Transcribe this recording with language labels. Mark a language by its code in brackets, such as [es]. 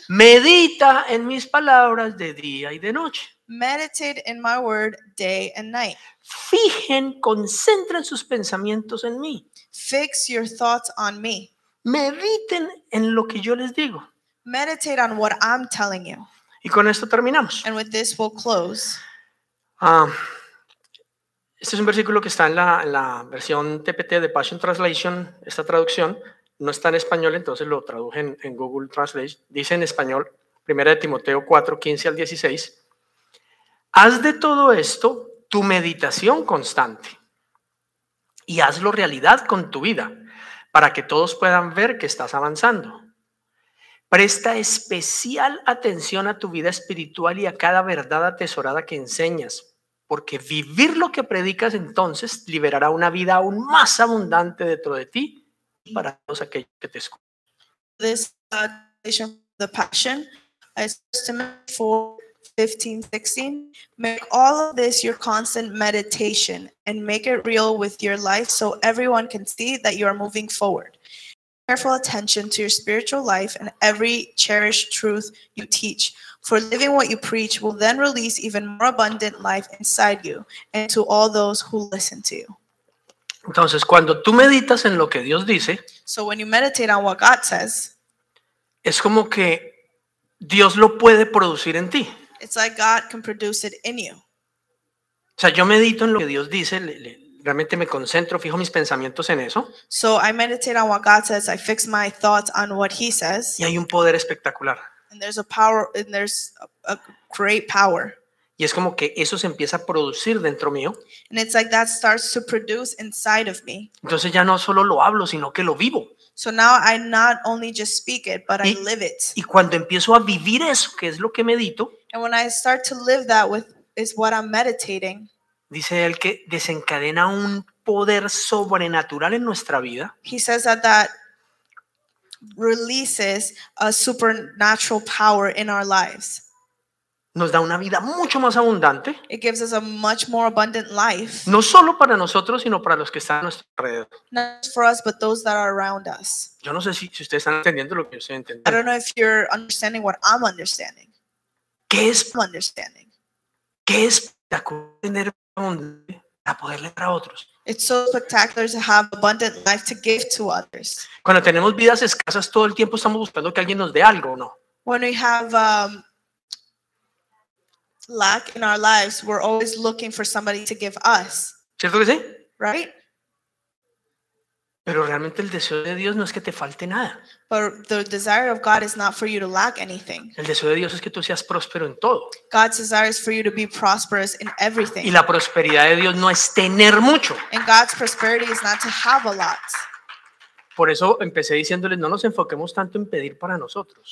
[es] Medita en mis palabras de día y de noche. [en] Meditate in my word day and night. [es] Fijen, concentren sus pensamientos en mí. [en] Fix your thoughts on me. [es] Mediten en lo que yo les digo. [en] Meditate on what I'm telling you. [es] Y con esto terminamos. [en] And with this we'll close. [es] Este es un versículo que está en la versión TPT de Passion Translation, esta traducción. No está en español, entonces lo traduje en Google Translate. Dice en español, 1 Timoteo 4, 15 al 16. Haz de todo esto tu meditación constante y hazlo realidad con tu vida para que todos puedan ver que estás avanzando. Presta especial atención a tu vida espiritual y a cada verdad atesorada que enseñas, porque vivir lo que predicas entonces liberará una vida aún más abundante dentro de ti para todos aquellos que te escuchan. [en] This translation of the Passion is Testament 4:15-16. Make all of this your constant meditation and make it real with your life so everyone can see that you are moving forward. Careful attention to your spiritual life and every cherished truth you teach. For living what you preach will then release even more abundant life inside you and to all those who listen to you. [es] Entonces, cuando tú meditas en lo que Dios dice, [en] so when you meditate on what God says, [es] es como que Dios lo puede producir en ti. [en] It's like God can produce it in you. [es] O sea, yo medito en lo que Dios dice, realmente me concentro, fijo mis pensamientos en eso. [en] So I meditate on what God says, I fix my thoughts on what he says. [es] Y hay un poder espectacular. [en] And there's a power, and there's a great power. [es] Y es como que eso se empieza a producir dentro mío. [en] And it's like that starts to produce inside of me. [es] Entonces ya no solo lo hablo, sino que lo vivo. [en] So now I not only just speak it, but I live it. [es] Y cuando empiezo a vivir eso, que es lo que medito. [en] And when I start to live that with is what I'm meditating. [es] Dice él que desencadena un poder sobrenatural en nuestra vida. [en] He says that that releases a supernatural power in our lives. [es] Nos da una vida mucho más abundante. [en] It gives us a much more abundant life. [es] No solo para nosotros, sino para los que están a nuestro alrededor. [en] Not just for us, but those that are around us. [es] Yo no sé si ustedes están entendiendo lo que yo estoy entendiendo. [en] I don't know if you're understanding what I'm understanding. [es] ¿Qué es? [en] I'm understanding. [es] ¿Qué es espectacular tener abundante para poderle dar a otros? [en] It's so spectacular to have abundant life to give to others. [es] Cuando tenemos vidas escasas, todo el tiempo estamos buscando que alguien nos dé algo, ¿no? [en] When we have lack in our lives, we're always looking for somebody to give us. [es] ¿Cierto que sí? [en] Right? [es] Pero realmente el deseo de Dios no es que te falte nada. [en] But the desire of God is not for you to lack anything. [es] El deseo de Dios es que tú seas próspero en todo. [en] God's desire is for you to be prosperous in everything. [es] Y la prosperidad de Dios no es tener mucho. [en] And God's prosperity is not to have a lot. [es] Por eso empecé diciéndoles, no nos enfoquemos tanto en pedir para nosotros.